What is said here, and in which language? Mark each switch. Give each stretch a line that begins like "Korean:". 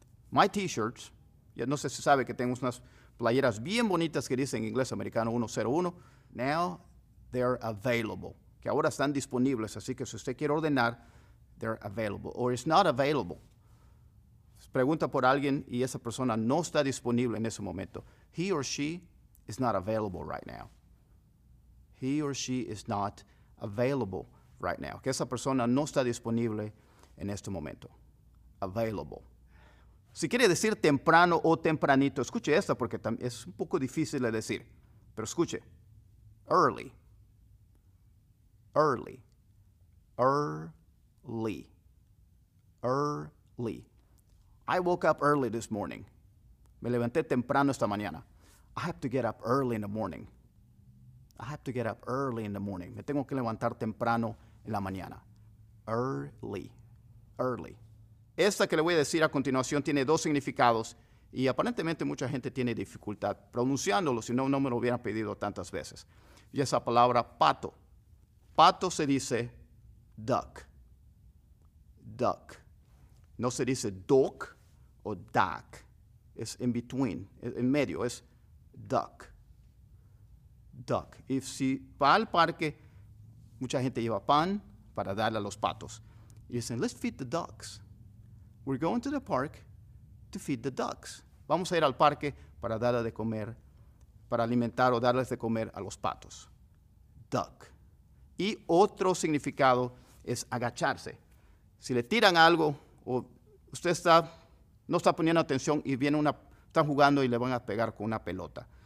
English: My t-shirts,
Spanish: ya no sé si sabe que tengo unas playeras bien bonitas que dicen Inglés Americano 101.
English: Now they're available.
Spanish: Que ahora están disponibles, así que si usted quiere ordenar,
English: they're available. Or it's not available.
Spanish: Pregunta por alguien y esa persona no está disponible en ese momento.
English: He or she is not available right now. He or she is not available right now.
Spanish: Que esa persona no está disponible en este momento. Available. Si quiere decir temprano o tempranito, escuche esta porque es un poco difícil de decir. Pero escuche. Early. Early.
English: Early. Early. I woke up early this morning.
Spanish: Me levanté temprano esta mañana.
English: I have to get up early in the morning. I have to get up early in the morning.
Spanish: Me tengo que levantar temprano en la mañana. Early. Early. Esta que le voy a decir a continuación tiene dos significados y aparentemente mucha gente tiene dificultad pronunciándolo, si no, no me lo hubieran pedido tantas veces. Y esa palabra pato. Pato se dice duck. duck. No se dice duck o duck.
English: It's in between,
Spanish: en medio, es duck. Duck. Y si va al parque, mucha gente lleva pan para darle a los patos. Y dicen,
English: let's feed the ducks. We're going to the park to feed the ducks.
Spanish: Vamos a ir al parque para darle de comer, para alimentar o darles de comer a los patos. Duck. Y otro significado es agacharse. Si le tiran algo o usted está, no está poniendo atención y viene una, están jugando y le van a pegar con una pelota.